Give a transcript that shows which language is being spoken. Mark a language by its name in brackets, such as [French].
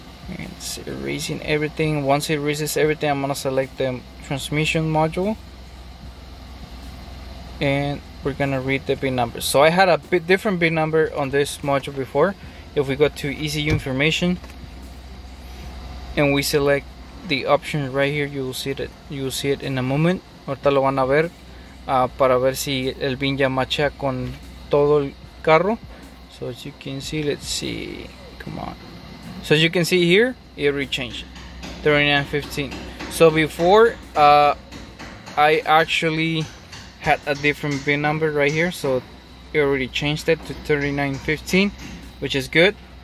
[English] It's erasing everything. Once it erases everything, I'm gonna select the transmission module, and we're gonna read the bin number. So I had a bit different bin number on this module before. If we go to easy information and we select the option right here, you will see it. You will see it in a moment. [Spanish] Ahorita lo van a ver para ver si el bin ya matcha con todo el carro. [English] So as you can see, let's see. Come on. So as you can see here, it rechanged 3915. So before, I actually had a different bin number right here. So it already changed it to 3915, which is good.